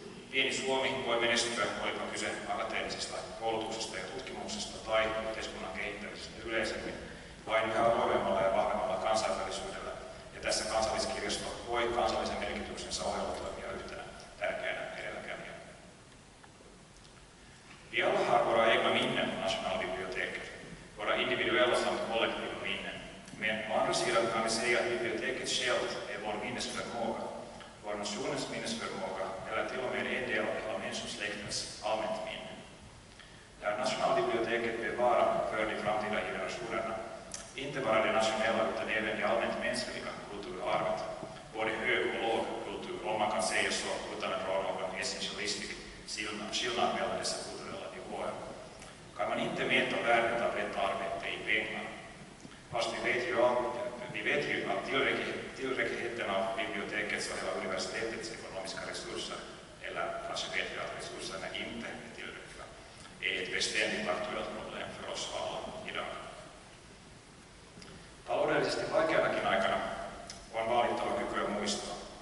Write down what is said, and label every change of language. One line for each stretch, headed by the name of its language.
Finnish: Pieni Suomi voi menestyä, olipa kyse akateemisesta koulutuksesta ja tutkimuksesta tai yhteiskunnan kehittämisestä yleisemmin, vain yhä voimalla ja vahvemmalla kansainvälisyydellä. Ja tässä kansalliskirjasto voi kansallisen merkityksensä ohella toimia yhtenä tärkeänä edelläkävijänä. Vielä harvoa ei vaan minne nationaalinen.
Swedish: Individuella samt kollektiva minnen. Men på andra sidan kan vi säga att biblioteket självt är vår minnesförmåga, vår nationens minnesförmåga eller till och med en del av hela människosläktens allmänt minne. Där nationalbiblioteket bevarar för de framtida generationerna, inte bara det nationella utan även det allmänt mänskliga kulturarvet, både hög och låg kultur, om man kan säga så utan att dra någon essentialistisk skillnad mellan dessa kulturella nivåer. Kan man inte mäta värdet av detta arbete i pengar? Fast vi vet ju att tillräckligheten av bibliotekets och hela universitetets ekonomiska resurser, eller kanske vet vi att resurserna inte är tillräckliga, är ett beständigt aktuellt problem för oss alla idag.
Finnish: Taloudellisesti vaikeanakin aikana on vaadittava kykyä muistaa,